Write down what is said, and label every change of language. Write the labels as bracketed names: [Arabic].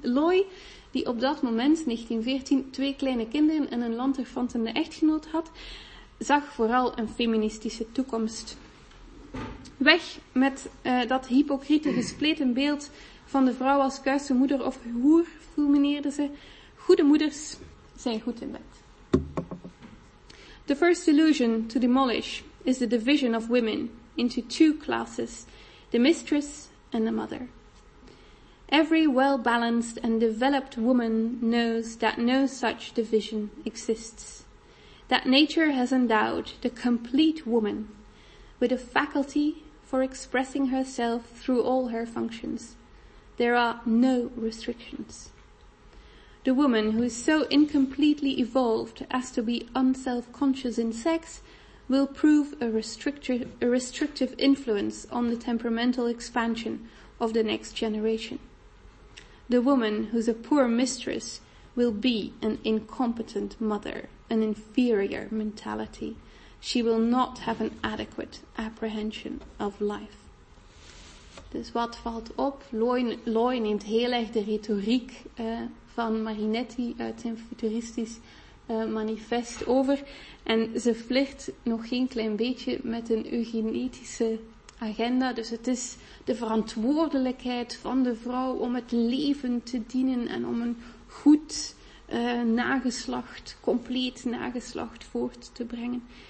[Dutch] Loy, die op dat moment, 1914, twee kleine kinderen en een lanterfantende echtgenoot had, zag vooral een feministische toekomst. Weg met dat hypocriete gespleten beeld van de vrouw als kuise moeder of hoer, fulmineerde ze. Goede moeders zijn goed in bed. [English] The first illusion to demolish is the division of women into two classes, the mistress and the mother. Every well-balanced and developed woman knows that no such division exists, that nature has endowed the complete woman with a faculty for expressing herself through all her functions. There are no restrictions. The woman who is so incompletely evolved as to be unself-conscious in sex will prove a restrictive influence on the temperamental expansion of the next generation. The woman who's a poor mistress will be an incompetent mother, an inferior mentality. She will not have an adequate apprehension of life. [Dutch] Dus wat valt op? Loy neemt heel erg de retoriek van Marinetti uit zijn futuristisch manifest over. En ze flirt nog geen klein beetje met een eugenetische agenda. Dus het is de verantwoordelijkheid van de vrouw om het leven te dienen en om een goed nageslacht, compleet nageslacht voort te brengen.